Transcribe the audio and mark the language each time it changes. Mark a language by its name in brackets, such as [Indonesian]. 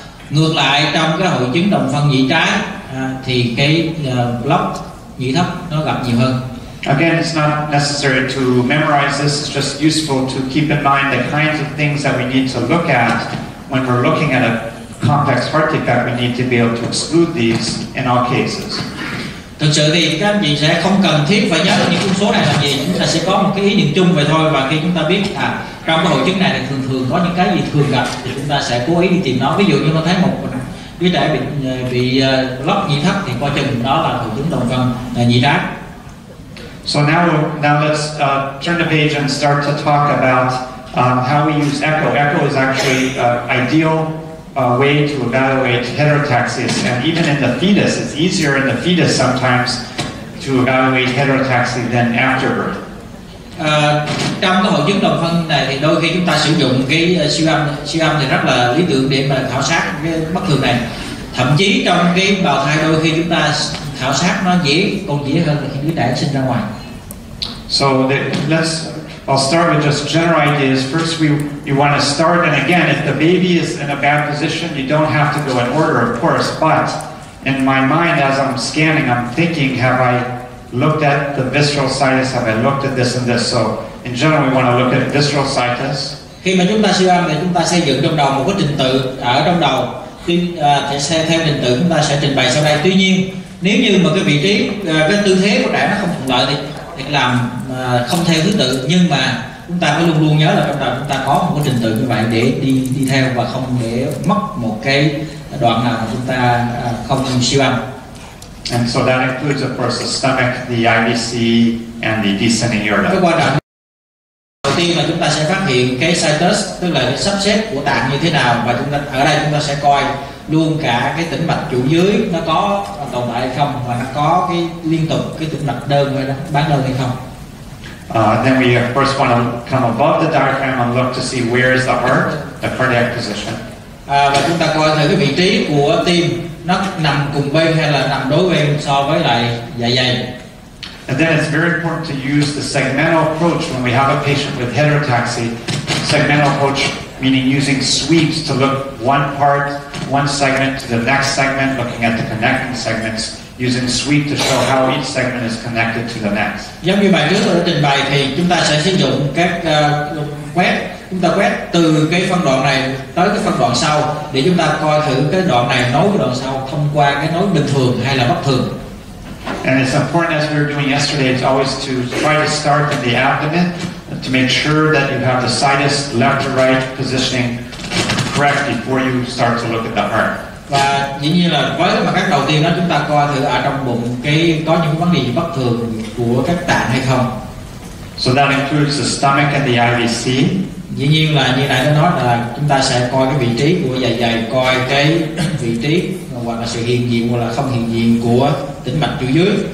[Vietnamese] Ngược lại trong cái hội chứng động phân nhĩ trái thì cái block nhĩ thấp nó gặp nhiều hơn. [English] Again, it's not necessary to memorize this. It's just useful to keep in mind the kinds of things that we need to look at when we're looking at a complex heart defect. We need to be able to exclude these in all cases. [Vietnamese] Thực sự thì các anh chị sẽ không cần thiết phải nhớ những con số này làm gì. Chúng ta sẽ có một cái ý niệm chung vậy thôi. Và khi chúng ta biết à, trong cái hội chứng này thì thường thường có những cái gì thường gặp thì chúng ta sẽ cố ý đi tìm nó. Ví dụ như ta thấy một đứa trẻ bị lóc nhĩ thấp thì coi chừng đó là hội chứng động phân nhĩ trái. [English] So now let's turn the page and start to talk about how we use echo. Echo is actually an ideal way to evaluate heterotaxis, and even in the fetus, it's easier in the fetus sometimes to evaluate heterotaxy than after birth. [Vietnamese] Trong cái hội chứng động phân này thì đôi khi chúng ta sử dụng cái siêu âm thì rất là lý tưởng để mà khảo sát cái bất thường này. Thậm chí trong cái bào thai đôi khi chúng ta khảo sát nó dễ hơn khi đứa trẻ sinh ra ngoài. [English] So I'll start with just general ideas. First, you want to start, and again, if the baby is in a bad position, you don't have to go in order, of course. But in my mind, as I'm scanning, I'm thinking, have I looked at the visceral situs? Have I looked at this and this? So in general, we want to look at visceral situs. [Vietnamese] Khi mà chúng ta siêu âm thì chúng ta xây dựng trong đầu một cái trình tự ở trong đầu. Thì sẽ theo trình tự chúng ta sẽ trình bày sau đây. Tuy nhiên, nếu như mà cái vị trí, cái tư thế của trẻ nó không thuận lợi thì làm không theo thứ tự, nhưng mà chúng ta phải luôn luôn nhớ là trong đầu chúng ta có một cái trình tự như vậy để đi theo và không để mất một cái đoạn nào mà chúng ta không siêu âm. [English] And so that includes, of course, the stomach, the IVC, and the descending aorta. [Vietnamese] Cái quan trọng đầu tiên là chúng ta sẽ phát hiện cái situs, tức là cái sắp xếp của tạng như thế nào, và chúng ta ở đây chúng ta sẽ coi luôn cả cái tĩnh mạch chủ dưới nó có tồn tại hay không, và nó có cái liên tục cái tĩnh mạch đơn hay đó, bán đơn hay không. [English] Then we of course want to come above the diaphragm and look to see where is the heart, the cardiac position. [Vietnamese] Và chúng ta coi thử cái vị trí của tim nó nằm cùng bên hay là nằm đối bên so với lại dạ dày. [English] And then it's very important to use the segmental approach when we have a patient with heterotaxy. Segmental approach meaning using sweeps to look one part, one segment to the next segment, looking at the connecting segments, using sweep to show how each segment is connected to the next. [Vietnamese] Giống như bài trước tôi đã trình bày thì chúng ta sẽ sử dụng các quét, chúng ta quét từ cái phân đoạn này tới cái phân đoạn sau để chúng ta coi thử cái đoạn này nối với đoạn sau thông qua cái nối bình thường hay là bất thường. [English] And it's important, as we were doing yesterday, it's always to try to start in the abdomen to make sure that you have the situs left to right positioning correct before you start to look at the heart. [Vietnamese] Và dĩ nhiên là với mà các đầu tiên đó, chúng ta coi thử ở trong bụng cái có những vấn đề gì bất thường của các tạng hay không. [English] So that includes the stomach and the IVC. [Vietnamese] Dĩ nhiên là như nãy tôi nói là chúng ta sẽ coi cái vị trí của dạ dày, coi cái vị trí hoặc là sự hiện diện hoặc là không hiện diện của tĩnh mạch chủ dưới.